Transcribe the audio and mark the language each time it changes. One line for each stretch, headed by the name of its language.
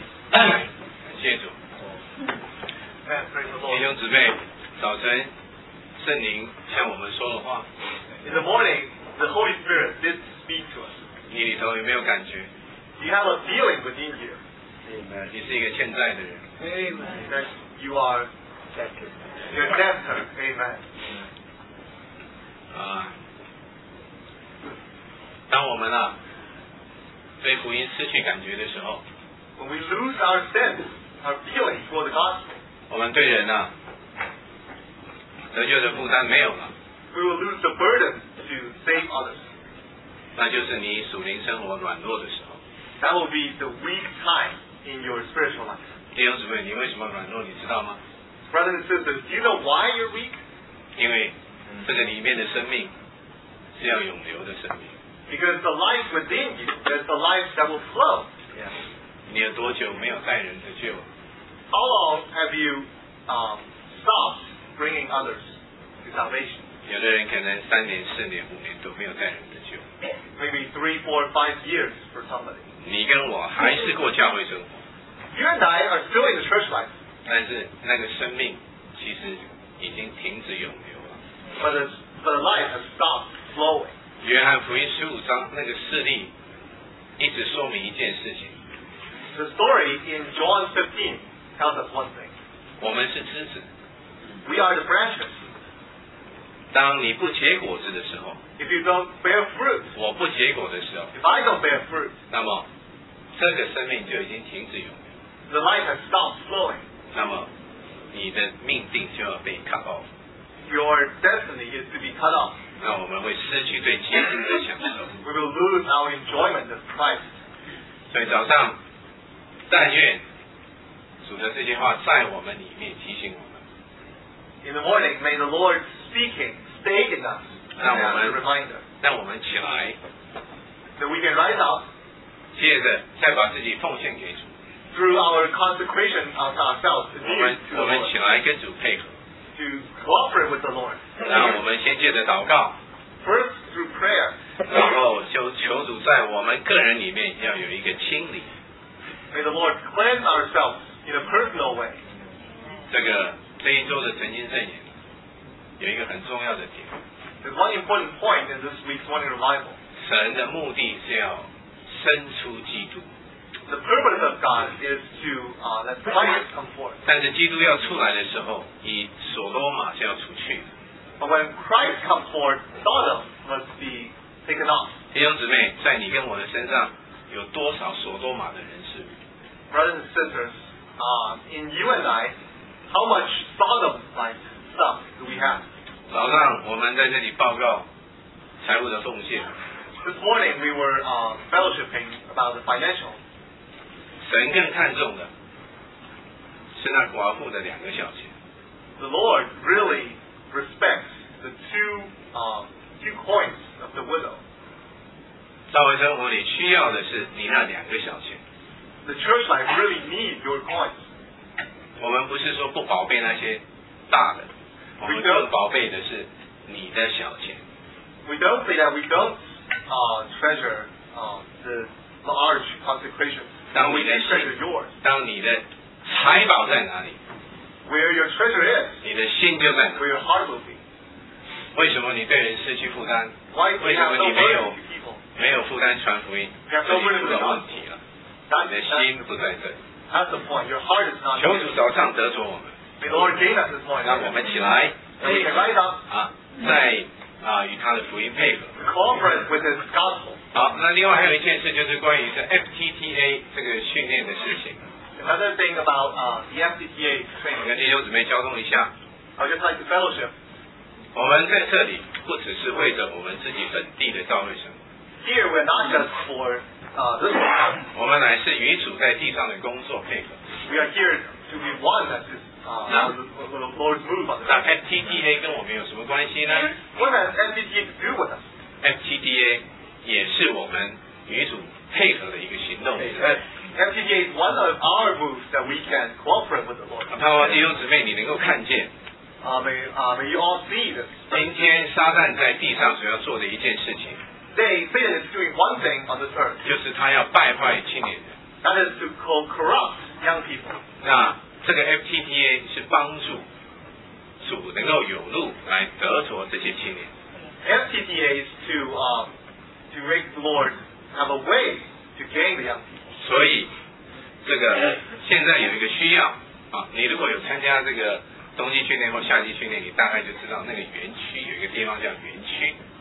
Chinese: 感谢主弟兄姊妹早晨圣灵向我们说的话
English: In the morning the Holy Spirit did speak to us
Chinese: 你里头有没有感觉
English: You have a feeling within you、
Chinese: Amen. 你是一个欠债的人
English: Amen. You are debtor You're debtor Amen、
Chinese: 当我们啊对福音失去感觉的时候
English: When we lose our sense, our feeling for the gospel,
Chinese: 我们对人啊得救的负担没有了
English: We will lose the burden to save others.
Chinese: 那就是你属灵生活软弱的时候
English: That will be the weak time in your spiritual life.
Chinese: 弟兄姊妹你为什么软弱你知道吗
English: Brothers and sisters, do you know why you're weak?
Chinese: 因为这个里面的生命是要永留的生命
English: Because the life within you is the life that will flow. Yes.
Chinese: 你有多久没有带人得救?
English: How long have you stopped bringing others to salvation?
Chinese: 有的人可能三年、四年、五年都没有带人得救。
English: Maybe 3, 4, 5 years for somebody.
Chinese: 你跟我还是过教会生活。
English: You and I are still in the church life.
Chinese: 但是那个生命其实已经停止永留了。
English: But the life has stopped flowing.
Chinese: 约翰福音十五章那个事例一直说明一件事情
English: The story in John 15 tells us one thing
Chinese: 我们是枝子
English: We are the branches
Chinese: 当你不结果子的时候
English: If you don't bear fruit
Chinese: 我不结果的时候
English: If I don't bear fruit
Chinese: 那么这个生命就已经停止涌
English: The life has stopped flowing
Chinese: 那么你的命定就要被
English: cut off Your destiny is to be cut off
Chinese: 那我们会失去对基督的享受。
English: We will lose our enjoyment of Christ.
Chinese: 所以早上，但愿主的这句话在我们里面提醒我们。
English: In the morning, may the Lord speaking stay in us.
Chinese: 让我们
English: reminder.
Chinese: 让我们起来。
English: So we can rise up.
Chinese: 接着再把自己奉献给主。
English: Through our consecration of ourselves to the Lord.
Chinese: 我们起来跟主配合。
English: To cooperate with the Lord.
Chinese: 那我们先借着祷告
English: First through prayer.
Chinese: 然后就求主在我们个人里面要有一个清理
English: May the Lord cleanse ourselves in a personal way.
Chinese: 这一周的晨经圣言有一个很重要的点
English: There's one important point in this week's morning revival.
Chinese: 神的目的是要生出基督
English: the purpose of God is to let Christ come forth.
Chinese: 但是基督要出来的时候，以所罗马是要出去的。
English: But when Christ comes forth, Sodom must be taken off.
Chinese: 弟兄姊妹，在你跟我的身上，有多少所罗马的人士？
English: Brothers and sisters, in you and I, how much Sodom-like stuff do we have?
Chinese: 早上我们在这里报告财务的奉献。
English: This morning we were fellowshipping about the financial.
Chinese: 神更看重的是那寡妇的两个小钱。
English: The Lord really respects the two coins of the widow.
Chinese: 教会生活里需要的是你那两个小钱。
English: The church life really needs your coins.
Chinese: 我们不是说不宝贝那些大的，我们更宝贝的是你的小钱。
English: We don't say that we don't treasure the large consecration. We treasure yours.
Chinese: 当你的财宝在哪里？
English: Where your treasure is.
Chinese: 你的心就在哪里？
English: Where your heart will be.
Chinese: 为什么你对人失去负担？
English: Why
Chinese: 为什么你没有负担传福音？这就出了问题了。你的心不在这。
English: That's the point. Your heart is not.
Chinese: 求主早上得着我们。
English: The Lord gave us this morning.
Chinese: 让我们起来。
English: Hey, rise up.
Chinese: 在。与他的福音配合。
English: Cooperate with his gospel.
Chinese: 好，那另外还有一件事，就是关于这 FTTA 这个训练的事情。
English: Another thing about the FTTA training.
Chinese: 跟弟兄姊妹交通一下。
English: I just like the fellowship.
Chinese: 我们在这里不只是为着我们自己本地的召会生。
English: Here we're not just for this one.
Chinese: 我们乃是与主在地上的工作配合。
English: We are here to be one that is.
Chinese: 那 FTTA 跟我们有什么关系呢？
English: What has FTTA to do with us?
Chinese: FTTA 也是我们与主配合的一个行动。
English: FTTA is one of our moves that we can cooperate with the Lord.
Chinese: 盼望弟兄姊妹你能够看见。
English: May you all see this.
Chinese: 今天撒旦在地上所要做的一件事情。
English: Today, Satan is doing one thing on this earth.
Chinese: 就是他要败坏青年人。
English: That is to corrupt young people.
Chinese: 那这个 FTTA 是帮助主能够有路来得着这些青年。
English: FTTA is to make the Lord have a way to gain the young people.
Chinese: 所以这个现在有一个需要啊，你如果有参加这个冬季训练或夏季训练，你大概就知道那个园区有一个地方叫园区。